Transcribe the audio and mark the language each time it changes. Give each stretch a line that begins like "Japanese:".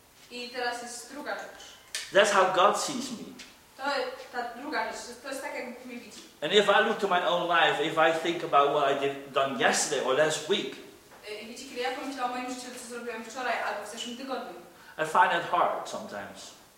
Polish: I teraz jest druga rzecz.
English: That's how God sees me.
Polish: To ta druga rzecz, to jest tak, jak Bóg mnie widzi.
English: And if I look to my own life, if I think about what I done yesterday or last week,
Polish: wiecie, kiedy ja pomyślałam o moim życiu, co zrobiłem wczoraj albo w zeszłym tygodniu,
English: I find it hard sometimes.